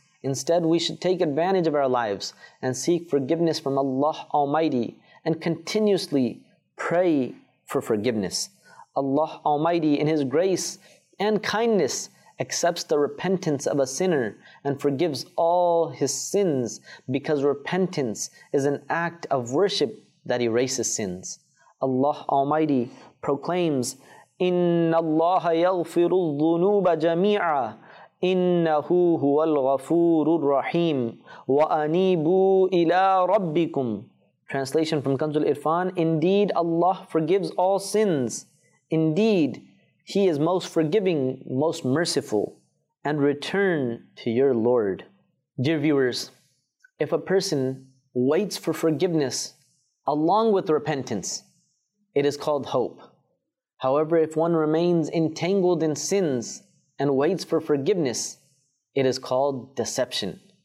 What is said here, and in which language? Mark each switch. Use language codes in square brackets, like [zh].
[en] Instead, we should take advantage of our lives and seek forgiveness from Allah Almighty and continuously pray for forgiveness. Allah Almighty, in His grace and kindness, accepts the repentance of a sinner and forgives all his sins, because repentance is an act of worship that erases sins. [ar] Allah Almighty proclaims, إِنَّ اللَّهَ يَغْفِرُ الذُّنُوبَ جَمِيعًا إِنَّهُ هُوَ الْغَفُورُ الرَّحِيمُ وَأَنِيبُوا إِلَىٰ رَبِّكُمْ. [en] Translation from Kanzul Irfan: Indeed, Allah forgives all sins. Indeed, He is most forgiving, most merciful. And return to your Lord. Dear viewers, if a person waits for forgiveness along with repentance, it is called hope. However, if one remains entangled in sins and waits for forgiveness, it is called deception.